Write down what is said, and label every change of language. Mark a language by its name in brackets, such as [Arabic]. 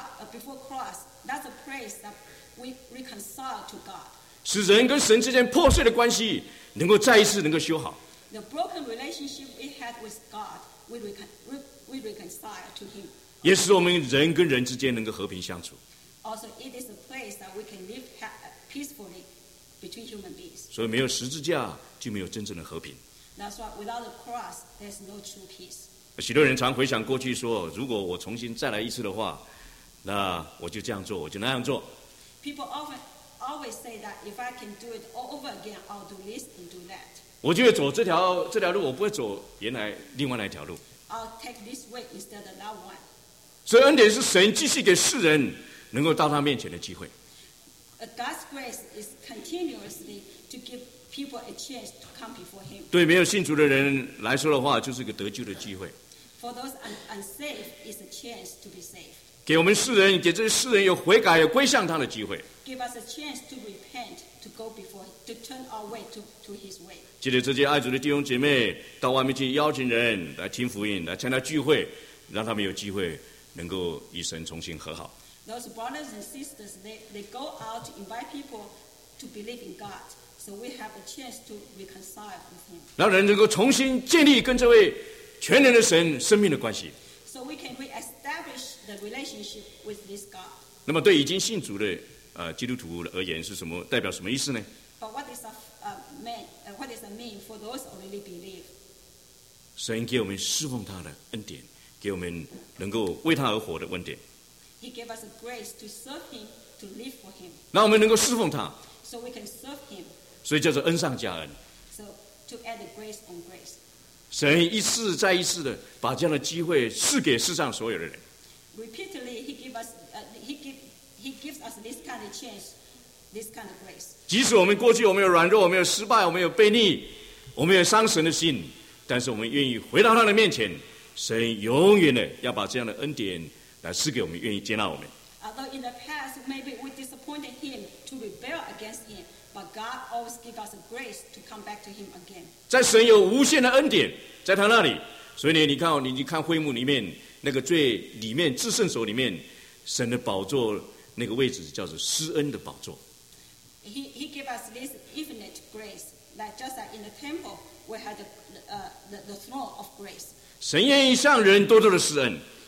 [English] Before cross, that's a place that we reconcile to God. [Chinese] 使人跟神之间破碎的关系能够再一次能够修好。 [English] The broken relationship we had with God, we reconcile to Him. [Chinese] 也是我们人跟人之间能够和平相处。 [English] Also, it is a place that we can live peacefully between human beings. [Chinese] 所以没有十字架就没有真正的和平。 [English] That's why without the cross, there's no true peace. [Chinese] 许多人常回想过去说，如果我重新再来一次的话，那我就这样做，我就那样做。 [English] People often always say that if I can do it all over again, I'll do this and do that. [Chinese] 我就会走这条路，我不会走原来另外那条路。 [English] I'll take this way instead of that one. [Chinese] 所以恩典是神继续给世人能够到他面前的机会。 [English] God's grace is continuously to give people a chance to come before him. [Chinese] 对没有信主的人来说的话，就是一个得救的机会。 [English] For those unsaved, it's a chance to be saved. [Chinese] 给我们世人，给这些世人有悔改、有归向他的机会。 [English] Give us a chance to repent, to go before, to turn our way to his way. [Chinese] 借着这些爱主的弟兄姐妹，到外面去邀请人来听福音，来参加聚会，让他们有机会能够与神重新和好。 [English] Those brothers and sisters, they go out to invite people to believe in God. So we have a chance to reconcile with him. [Chinese] 让人能够重新建立跟这位全能的神生命的关系。 [English] So we can reestablish the relationship with this God. [Chinese] 那么对已经信主的基督徒而言是什么代表什么意思呢？ [English] But what does it mean for those who really believe? [Chinese] 神给我们侍奉他的恩典，给我们能够为他而活的恩典。 [English] He gave us a grace to serve him, to live for him. [Chinese] 让我们能够侍奉他。 [English] So we can serve him. [Chinese] 所以叫做恩上加恩。 [English] So to add grace on grace. [Chinese] 神一次再一次的把这样的机会赐给世上所有的人。 [English] Repeatedly, he gives us this kind of chance, this kind of grace. [Chinese] 即使我们过去我们有软弱，我们有失败，我们有悖逆，我们有伤神的心，但是我们愿意回到他的面前，神永远的要把这样的恩典来赐给我们，愿意接纳我们。 [English] Although in the past maybe we disappointed him to rebel against him, but God always gives us a grace to come back to him again. [Chinese] 在神有无限的恩典在他那里，所以呢，你看会幕里面那个最里面至圣所里面，神的宝座那个位置叫做施恩的宝座。 [English] He gave us this infinite grace, like just like in the temple we had the throne of grace. [Chinese] 神愿意向人多多的施恩。